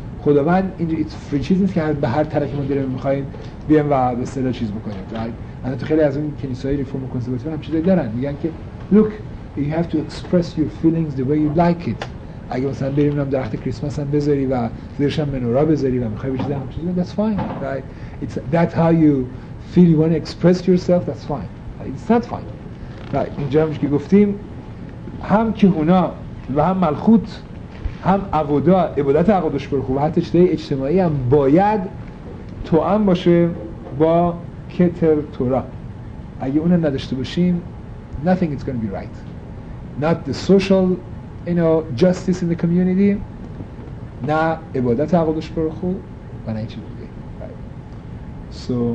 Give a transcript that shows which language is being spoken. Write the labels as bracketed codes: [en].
[fa] خداوند اینجا ایت فری چیز نیست که به هر طرفی ما دلمون می‌خواد بیام و به صدا چیز بکنیم. البته خیلی از این کلیسای ریفورم و کنسرواتیو هم چیزایی دارن، میگن که [en] look you have to express your feelings the way you like it. [fa] اگه مثلا بریم نام درخت کریسمس هم بذاری و زیرش هم منورا بذاری و میخوای بچیزی هم چیزی، [en] that's fine, right? It's that how you feel, you want to express yourself, that's fine. It's not fine. Right. [fa] اینجا همش که گفتیم هم کهونا و هم ملخوت هم عبودا عبادت عقدش برخوب و حتی چیزای اجتماعی هم باید توأم باشه با کتر تورا. اگه اون هم نداشته باشیم [en] nothing is going to be right. Not the social, you know, justice in the community, [fa] نه عبادت عقدش برخو و نه این چیز دیگه.